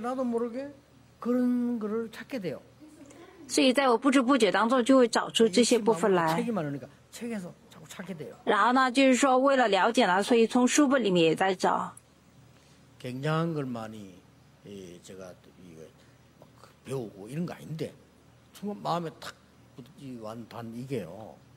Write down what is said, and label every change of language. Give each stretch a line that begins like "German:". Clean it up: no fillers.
Korean: 나도 모르게 그런 거를 찾게 돼요.
Chinese: 所以在我不知不觉当中就会找出这些部分来。
Korean: 책이 많으니까 책에서 자꾸 찾게 돼요.
Chinese: 然后呢，就是说为了了解呢，所以从书本里面也在找。
Korean: 굉장한 걸 많이 제가 배우고 이런 거 아닌데, 정말 마음에 탁 완판 이게요.